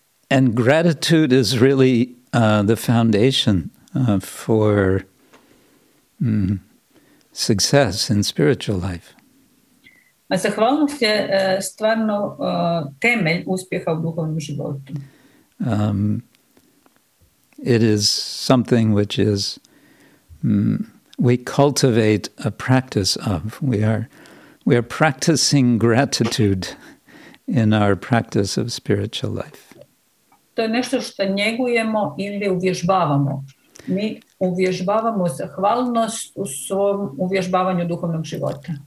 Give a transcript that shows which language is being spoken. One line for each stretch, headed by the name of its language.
English: And gratitude is really the foundation for success in spiritual life.
Croatian: A zahvalnost je stvarno temelj uspjeha u duhovnom životu.
English: It is something which is we cultivate a practice of. We are practicing gratitude in our practice of spiritual life.
Croatian: To je nešto što njegujemo ili uvježbavamo. Mi uvježbavamo zahvalnost u svom uvježbavanju duhovnog života.